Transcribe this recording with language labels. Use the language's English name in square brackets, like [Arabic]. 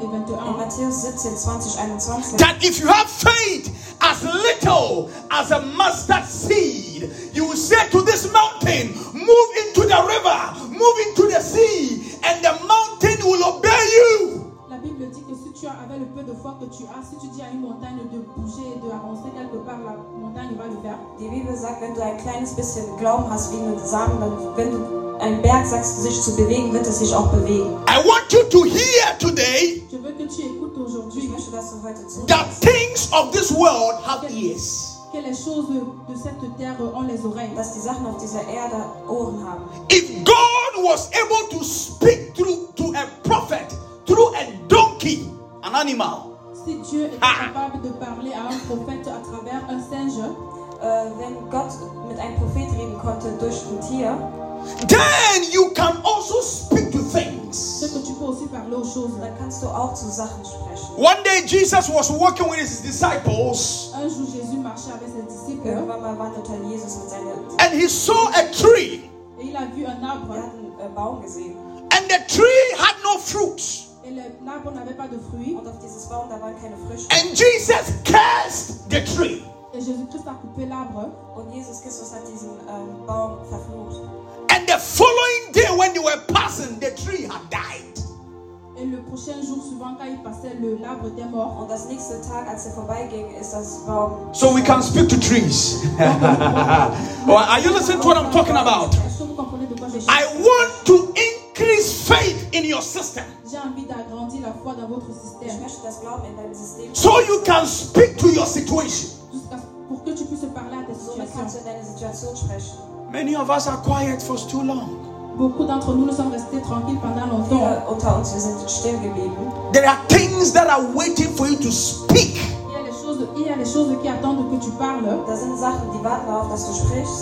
[English] That if you have faith as little as a mustard seed, you will say to this mountain, move into the river, move into the sea, and the mountain will obey you. [French] La Bible dit que si tu as avec le peu de foi que tu as, si tu dis à une montagne de bouger et de avancer quelque part, la montagne va le faire. [German] Die Bibel sagt, wenn du ein kleines bisschen Glauben hast wie ein Samen, dann wenn du ein Berg sagst, sich zu bewegen, wird es sich auch bewegen. [English] I want you to hear today. [French] Je veux que tu écoutes aujourd'hui. [German] Ich möchte, dass du heute zuhörst. [English] That things of this world have ears. [French] Que les choses de cette terre ont les oreilles. [German] Dass die Sachen auf dieser Erde Ohren haben. [English] If God was able to speak through to a prophet. Through a donkey, an animal. [French] Si Dieu était capable de parler à un prophète à travers un singe, [German] wenn Gott mit einem Prophet reden konnte durch ein Tier, [English] then you can also speak to things. [French] C'est que tu peux aussi parler aux choses. [German] Dann kannst du auch zu Sachen sprechen. [English] One day Jesus was walking with his disciples. [French] Un jour Jésus marchait avec ses disciples. [German] Irgendwann mal wanderte Jesus mit seinen Jüngern. [English] And he saw a tree. [French] Et il a vu un arbre. [German] Er hat einen Baum gesehen. [English] And the tree had no fruits. [French] Et l'arbre n'avait pas de fruits. [German] Und auf dieses Baum, da waren keine Früchte. [English] And Jesus cursed the tree. [French] Et Jésus-Christ a coupé l'arbre. [German] Und Jesus Christus hat diesen Baum verflucht. [English] And the following day when they were passing, the tree had died. [French] Et le prochain jour suivant quand ils passaient, l'arbre était mort. [German] Und das nächste Tag als sie vorbeiging, ist das Baum. [English] So we can speak to trees. Well, are you listening to what I'm talking about? I want to increase faith in your system. [French] J'ai envie d'agrandir la foi dans votre système. Je veux que vous puissiez parler à votre [English] système. So you can speak to your situation. [French] Pour que tu puisses parler à ta situation. [English] Many of us are quiet for too long. [French] Beaucoup d'entre nous ne sommes restés tranquilles pendant longtemps. Autant nous sommes restés [German] still geblieben. [English] There are things that are waiting for you to speak. [French] Il y a des choses qui attendent que tu parles. [German] Das sind Sachen, die warten darauf, dass du sprichst.